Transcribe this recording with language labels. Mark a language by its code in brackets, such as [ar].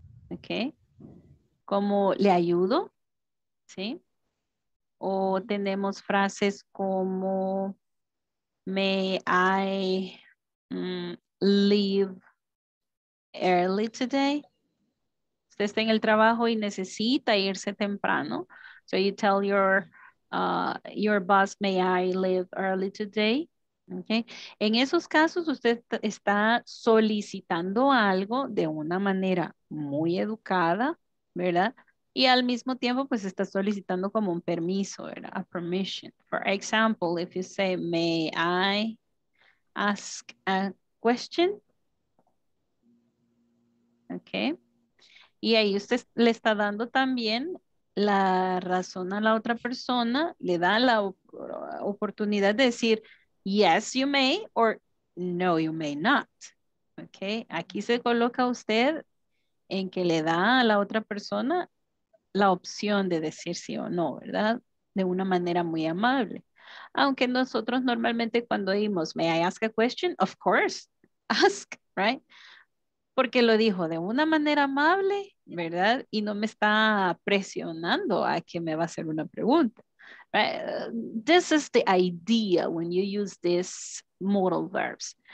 [es] Okay, como, le ayudo? Sí. O tenemos frases como, [en] may I leave early today? [es] Usted está en el trabajo y necesita irse temprano. [en] So you tell your boss, may I leave early today? Okay. [es] En esos casos, usted está solicitando algo de una manera muy educada, ¿verdad? Y al mismo tiempo, pues está solicitando como un permiso, ¿verdad? A permission. [en] For example, if you say, may I ask a question? [es] Okay. Y ahí usted le está dando también la razón a la otra persona, le da la oportunidad de decir, [en] yes, you may, or no, you may not. [es] Okay. Aquí se coloca usted en que le da a la otra persona la opción de decir sí o no, ¿verdad? De una manera muy amable. Aunque nosotros normalmente cuando oímos, [en] may I ask a question? Of course, ask, right? [es] Porque lo dijo de una manera amable, ¿verdad? Y no me está presionando a que me va a hacer una pregunta. [en] Right? This is the idea when you use these modal verbs.